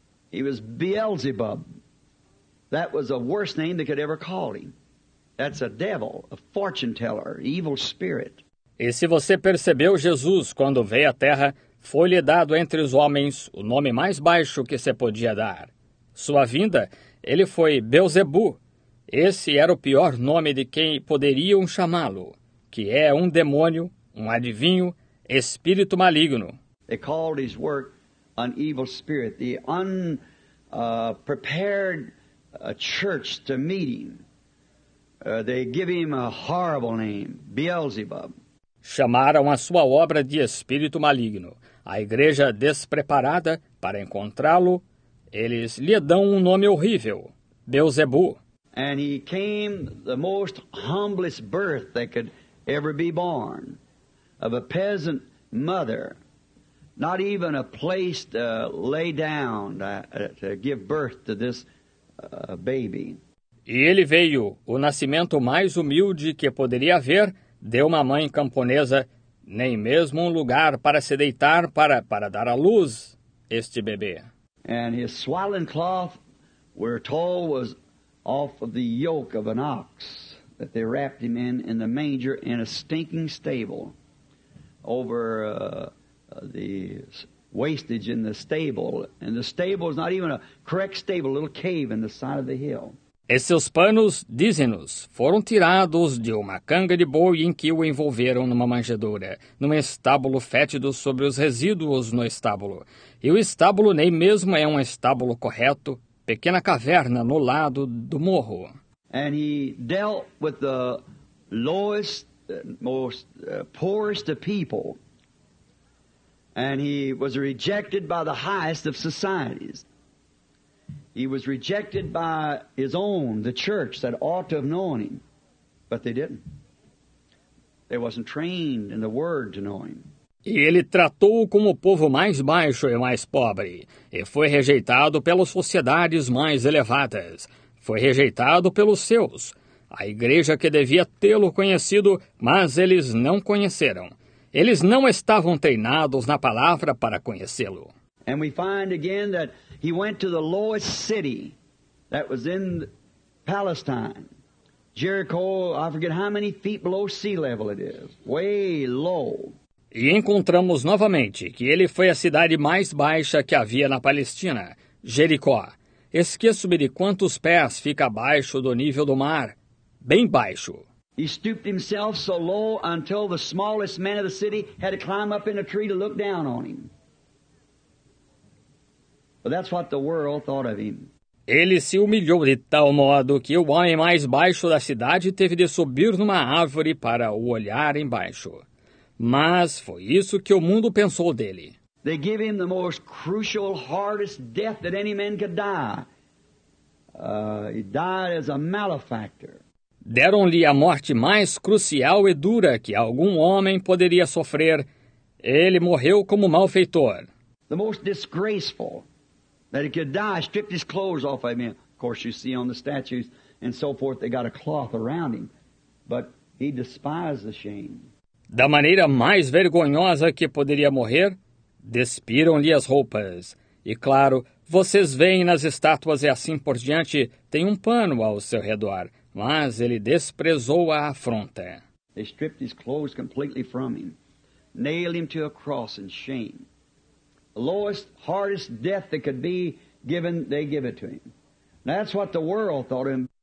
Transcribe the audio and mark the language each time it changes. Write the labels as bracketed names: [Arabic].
[English] He was Beelzebub. That was the worst name they could ever call him. That's a devil, a fortune teller, evil spirit. [Portuguese] E se você percebeu, Jesus, quando veio à terra, foi-lhe dado entre os homens o nome mais baixo que se podia dar. Sua vinda, ele foi Beelzebu. Esse era o pior nome de quem poderiam chamá-lo, que é um demônio, um adivinho, espírito maligno. [English] They called his work an evil spirit, the unprepared church to meet him. They give him a horrible name, Beelzebub. [Portuguese] Chamaram a sua obra de espírito maligno. A igreja despreparada para encontrá-lo, eles lhe dão um nome horrível, Beelzebu. [English] And he came the most humblest birth that could ever be born, of a peasant mother. Not even a place to lay down to give birth to this baby. [Portuguese] E ele veio, o nascimento mais humilde que poderia haver, de uma mãe camponesa, nem mesmo um lugar para se deitar para dar à luz este bebê. [English] And his swaddling cloth, we're told, was off of the yoke of an ox that they wrapped him in the manger in a stinking stable over the wastage in the stable. And the stable is not even a correct stable, a little cave in the side of the hill. [Portuguese] Esses panos, dizem-nos, foram tirados de uma canga de boi em que o envolveram numa manjedoura, num estábulo fétido sobre os resíduos no estábulo. E o estábulo nem mesmo é um estábulo correto, pequena caverna no lado do morro. [English] And he dealt with the lowest, most poorest of people. And he was rejected by the highest of societies. He was rejected by his own, the church, that ought to have known him, but they didn't. They wasn't trained in the word to know him. [Portuguese] E ele tratou-o como o povo mais baixo e mais pobre, e foi rejeitado pelas sociedades mais elevadas. Foi rejeitado pelos seus, a igreja que devia tê-lo conhecido, mas eles não conheceram. Eles não estavam treinados na palavra para conhecê-lo. [English] And we find again that he went to the lowest city that was in Palestine, Jericho, I forget how many feet below sea level it is, way low. [Portuguese] E encontramos novamente que ele foi à cidade mais baixa que havia na Palestina, Jericó. Esqueço-me de quantos pés fica abaixo do nível do mar, bem baixo. [English] He stooped himself so low until the smallest man of the city had to climb up in a tree to look down on him. But that's what the world thought of him. [Portuguese] Ele se humilhou de tal modo que o homem mais baixo da cidade teve de subir numa árvore para o olhar embaixo. Mas foi isso que o mundo pensou dele. [English] They gave him the most crucial, hardest death that any man could die. He died as a malefactor. [Portuguese] Deram-lhe a morte mais crucial e dura que algum homem poderia sofrer. Ele morreu como malfeitor. [English] The most disgraceful. That he could die, stripped his clothes off of him. Of course, you see on the statues and so forth, they got a cloth around him. But he despised the shame. [Portuguese] Da maneira mais vergonhosa que poderia morrer, despiram-lhe as roupas. E claro, vocês veem nas estátuas e assim por diante, tem um pano ao seu redor. Mas ele desprezou a afronta. [English] They stripped his clothes completely from him. Nailed him to a cross in shame. The lowest, hardest death that could be given, they give it to him. That's what the world thought of him.